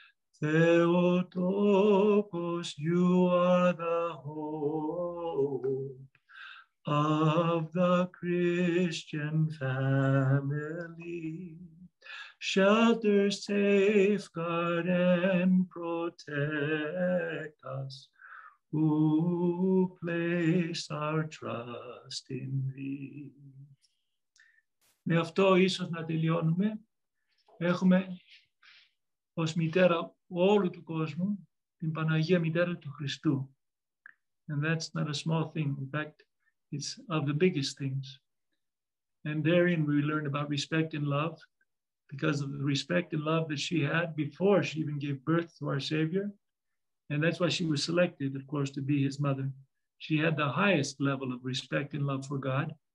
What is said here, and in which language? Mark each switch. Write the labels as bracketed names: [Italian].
[English] Θεοτόκος, you are the hope of the Christian family. Shelter, safeguard, and protect us who place our trust in thee. [Greek] Με αυτό ίσως να τελειώνουμε. Έχουμε ως μητέρα όλου του κόσμου την Παναγία Μητέρα του Χριστού. [English] And that's not a small thing. In fact, it's of the biggest things. And therein we learn about respect and love, because of the respect and love that she had before she even gave birth to our Savior. And that's why she was selected, of course, to be his mother. She had the highest level of respect and love for God.